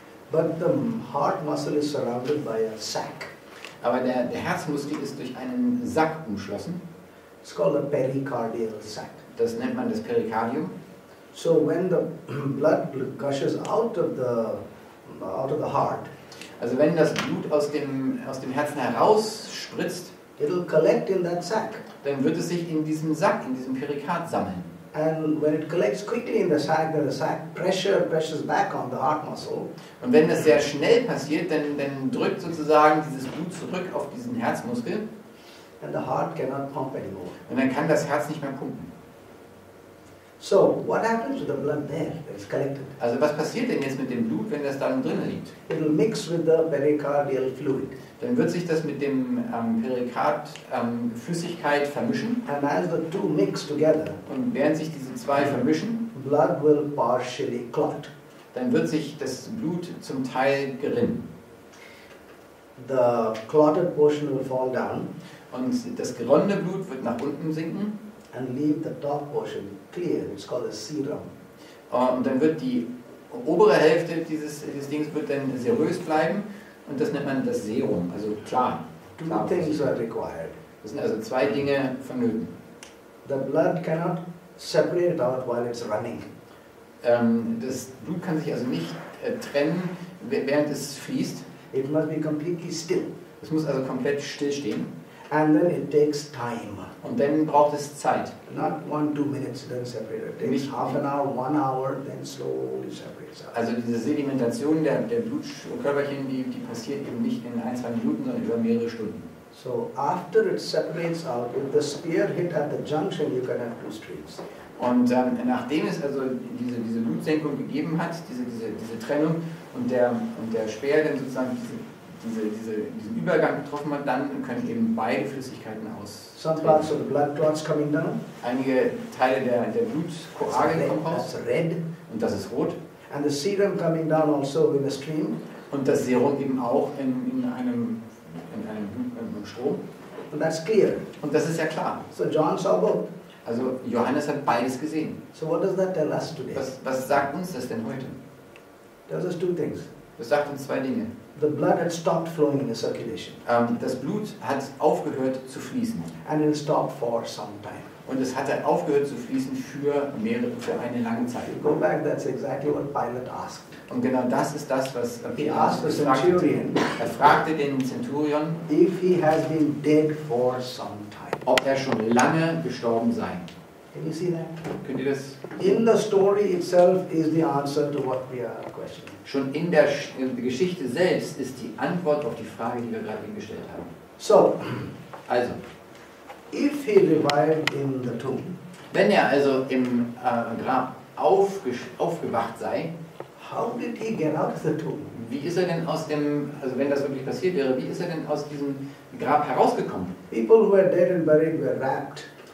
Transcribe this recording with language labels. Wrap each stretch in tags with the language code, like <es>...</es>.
<en>But the heart muscle is surrounded by a sac.</en> <de>Aber der Herzmuskel ist durch einen Sack umschlossen.</de> <en>It's called a pericardial sac.</en> <de>Das nennt man das Perikardium.</de> <en>So when the blood gushes out of the heart.</en> <de>Also wenn das Blut aus dem Herzen heraus spritzt,</de> <en>it'll collect in that sac.</en> <de>Dann wird es sich in diesem Sack, in diesem Perikard sammeln.</de> <en>And when it collects quickly in the sac, then the sac pressures back on the heart muscle.</en> <de>Und wenn das sehr schnell passiert, dann drückt sozusagen dieses Blut zurück auf diesen Herzmuskel.</de> <en>And the heart cannot pump anymore.</en> <de>Und dann kann das Herz nicht mehr pumpen.</de> <en>So what happens to the blood there that is collected?</en> <de>Also was passiert denn jetzt mit dem Blut, wenn das dann drinnen liegt?</de> <en>It will mix with the pericardial fluid.</en> <de>Dann wird sich das mit dem Perikard Flüssigkeit vermischen.</de> <en>And as the two mix together,</en> <de>und während sich diese zwei vermischen,</de> <en>blood will partially clot.</en> <de>Dann wird sich das Blut zum Teil gerinnen.</de> <en>the clotted portion will fall down.</en> <de>Und das geronnene Blut wird nach unten sinken.</de> <en>And leave the top portion clear. It's called a serum.</en> <de>Und dann wird die obere Hälfte dieses Dings wird dann serös bleiben. Und das nennt man das Serum, also klar.</de> <en>Two things are required.</en> <de>Das sind also zwei Dinge vonnöten.</de> <en>The blood cannot separate out while it's running.</en> <de>Das Blut kann sich also nicht trennen, während es fließt.</de> <en>It must be completely still.</en> <de>Es muss also komplett stillstehen.</de> <en>And then it takes time.</en> <de>Und dann braucht es Zeit.</de> <en>Not 1-2 minutes, then separate. It takes half an hour, 1 hour, then slowly separates out.</en> <de>Also diese Sedimentation der Blutkörperchen, die passiert eben nicht in 1-2 Minuten, sondern über mehrere Stunden.</de> <en>So after it separates out, if the spear hit at the junction, you can have 2 streams.</en> <de>Und nachdem es also diese Blutsenkung gegeben hat, diese Trennung und der Speer dann sozusagen diesen Übergang getroffen hat, dann können eben beide Flüssigkeiten aus.</de> <en>Some parts of the blood clots coming down.</en> <de>Einige Teile der Blutkoagel kommen raus.</de> <en>That's red.</en> <de>Und das ist rot.</de> <en>And the serum coming down also in a stream.</en> <de>Und das Serum eben auch in einem Strom.</de> <en>And that's clear.</en> <de>Und das ist ja klar.</de> <en>So John saw both.</en> <de>Also Johannes hat beides gesehen.</de> <en>So what does that tell us today?</en> <de>Was sagt uns das denn heute?</de> <en>Tells us 2 things.</en> <de>Das sagt uns 2 Dinge.</de> <en>The blood had stopped flowing in the circulation.</en> <de>Das Blut hat aufgehört zu fließen.</de> <en>And it stopped for some time.</en> <de>Und es hat aufgehört zu fließen für eine lange Zeit.</de> <en>Go back, that's exactly what Pilate asked.</en> <de>Und genau das ist das, was Pilate fragte. Er fragte den Centurion,</de> <en>if he has been dead for some time.</en> <de>Ob er schon lange gestorben sei.</de> <en>Can you see that?</en> <de>Könnt ihr das?</de> <en>In the story itself is the answer to what we are questioning.</en> <de>Schon in der Geschichte selbst ist die Antwort auf die Frage, die wir gerade gestellt haben.</de> <en>So,</en> <de>also,</de> <en>if he revived in the tomb,</en> <de>wenn er also im Grab aufgewacht sei,</de> <en>how did he get out of the tomb?</en> <de>Wie ist er denn aus dem, also wenn das wirklich passiert wäre, wie ist er denn aus diesem Grab herausgekommen?</de> <en>People who were dead and buried were wrapped.</en>